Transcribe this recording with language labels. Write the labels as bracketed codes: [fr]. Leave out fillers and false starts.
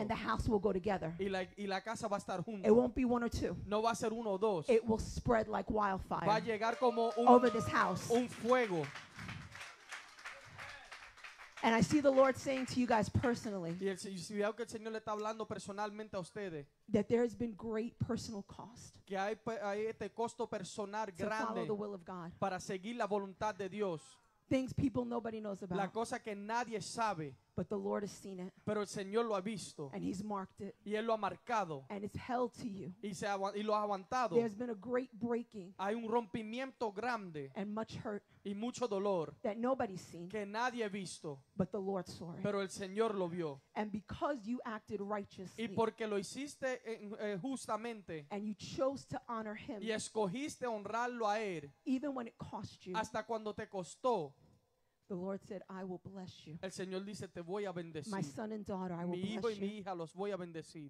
[en] And the house will go together. [es] Y la casa va a estar junto. [en] It won't be one or two. [es] No va a ser uno o dos. [en] It will spread like wildfire. [es] Va a llegar como [en] over this house. [es] Un fuego. [en] And I see the Lord saying to you guys personally. [es] Y el Señor, que el Señor le está hablando personalmente a ustedes. [en] That there has been great personal cost. [es] Que hay este costo personal grande. [en] To follow the will of God. [es] Para seguir la voluntad de Dios. [en] Things people nobody knows about. [es] La cosa que nadie sabe. [en] But the Lord has seen it. [es] Pero el Señor lo ha visto. [en] And he's marked it. [es] Y él lo ha marcado. [en] And it's held to you. [es] Y lo ha aguantado. [en] There's been a great breaking. [es] Hay un rompimiento grande. [en] And much hurt. [es] Y mucho dolor. [en] That nobody's seen. [es] Que nadie ha visto. [en] But the Lord saw it. [es] Pero el Señor lo vio. [en] And because you acted righteously. [es] Y porque lo hiciste justamente. [en] And you chose to honor him. [es] Y escogiste honrarlo a él. [en] Even when it cost you. [es] Hasta cuando te costó. [en] The Lord said, I will bless you. [es] El Señor dice, te voy a bendecir. [en] My son and daughter, I [es] mi [en] will bless [es] hijo y [en] you. [es] Mi hija los voy a bendecir.